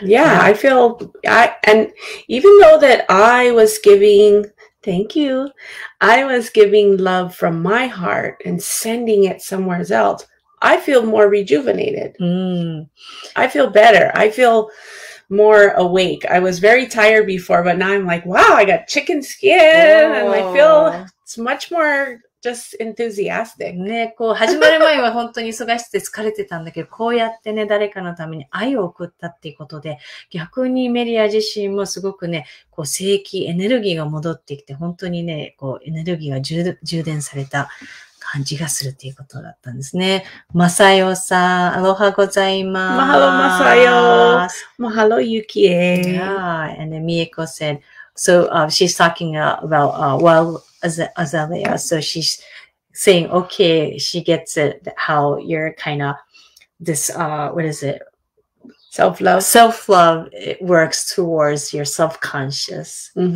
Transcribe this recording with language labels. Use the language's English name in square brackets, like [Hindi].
[English] I feel and even though that I was giving, thank you, I was giving love from my heart and sending it somewhere else, I feel more rejuvenated. Mm. I feel better. I feel more awake. I was very tired before, but now I'm like, wow, I got chicken skin. Oh. And I feel it's much more just enthusiastic. [Japanese] ね、こう始まる前は本当に忙しくて疲れてたんだけど、こうやってね、誰かのために愛を送ったっていうことで、逆にメリア自身もすごくね、こう生気、エネルギーが戻ってきて、本当にね、こうエネルギーが充電された感じがするっていうことだったんですね。マサヨさん、アロハございます。 [Hawaiian] マハロマサヨ。マハロユキエ。 [English] Yeah, and then ミエコ said, so, she's talking about, Azalea. So she's saying, okay, she gets it, how you're kind of this, what is it? Self-love. Self-love, it works towards your self-conscious mm-hmm.